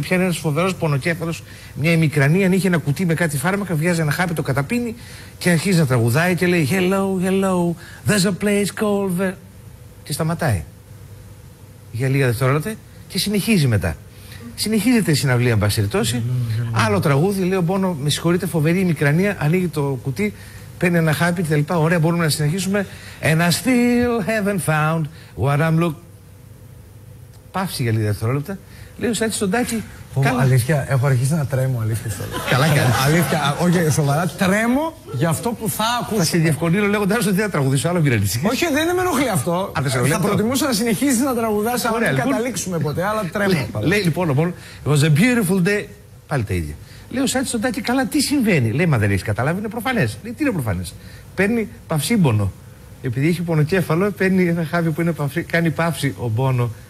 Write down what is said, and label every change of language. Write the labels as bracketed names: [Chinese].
[Greek] Πιάνει ένας φοβερός πονοκέφαλος, μια ημικρανία. Αν είχε ένα κουτί με κάτι φάρμακα, βγάζει ένα χάπι, το καταπίνει και αρχίζει να τραγουδάει και λέει: [English] hello, hello, there's a place called the. [Greek] Και σταματάει. Για λίγα δευτερόλεπτα και συνεχίζει μετά. Συνεχίζεται η συναυλία, εν πάση περιπτώσει. Άλλο τραγούδι, λέει ο Μπόνο: με συγχωρείτε, φοβερή ημικρανία. Ανοίγει το κουτί, παίρνει ένα χάπι κτλ. Ωραία, μπορούμε να συνεχίσουμε. [English] And I still haven't found what I'm looking. [Greek] Πάυση για λίγα δευτερόλεπτα. Λέει ο Σάιτς στον Τάκη. Αλήθεια, έχω αρχίσει να τρέμω. Αλήθεια, σοβαρά. Καλά, καλά. Αλήθεια, όχι, σοβαρά. Τρέμω για αυτό που θα ακούσω. Θα σε διευκολύνω λέγοντα ότι θα τραγουδήσω άλλο, μην ανησυχείς. Όχι, δεν με ενοχλεί αυτό. Θα προτιμούσα να συνεχίσει να τραγουδάς αν δεν καταλήξουμε ποτέ, αλλά τρέμω. Λέει λοιπόν ο Μπόνο, [English] it was a beautiful day. [Greek] Πάλι τα ίδια. Λέει ο Σάιτς στον Τάκη, καλά, τι συμβαίνει. Λέει, μα δεν έχει καταλάβει, είναι προφανές. Λέει, τι είναι προφανές. Παίρνει παυσίμπονο. Επειδή έχει πονοκέφαλο, παίρνει ένα χάβι που είναι παυσί, κάνει παύση ο Μπόνο.